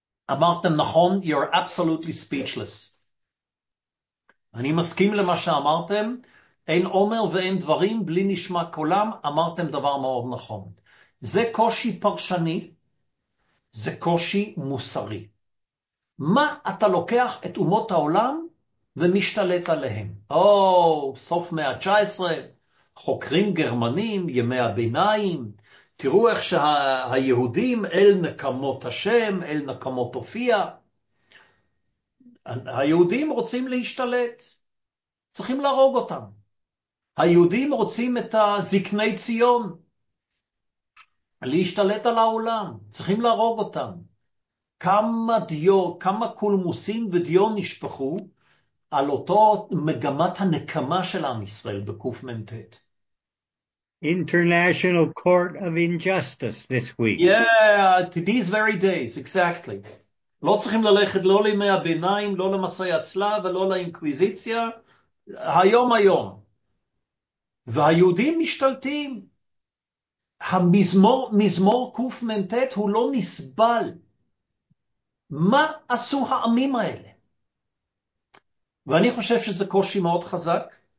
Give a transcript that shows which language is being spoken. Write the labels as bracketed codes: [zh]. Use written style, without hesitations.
[he] אמרתם נכון, [en] you're absolutely speechless. [he] אני מסכים למה שאמרתם, אין אומר ואין דברים, בלי נשמע קולם, אמרתם דבר מאוד נכון. זה קושי פרשני, זה קושי מוסרי. מה אתה לוקח את אומות העולם ומשתלט עליהם? או, סוף מאה ה-19, חוקרים גרמנים, ימי הביניים, תראו איך שהיהודים אל נקמות השם, אל נקמות הופיע. היהודים רוצים להשתלט, צריכים להרוג אותם. היהודים רוצים את הזקני ציון, להשתלט על העולם, צריכים להרוג אותם. כמה דיו, כמה קולמוסים ודיו נשפחו על אותו מגמת הנקמה של עם ישראל בקוף מנטט. [en] International Court of Injustice this week. Yeah, to these very days, exactly. [he] לא צריכים ללכת לא לימי הביניים, לא למסעי הצלב ולא לאינקוויזיציה. היום היום. והיהודים משתלטים. המזמור, מזמור קוף מנטט הוא לא נסבל. מה עשו העמים האלה? ואני חושב שזה קושי מאוד חזק.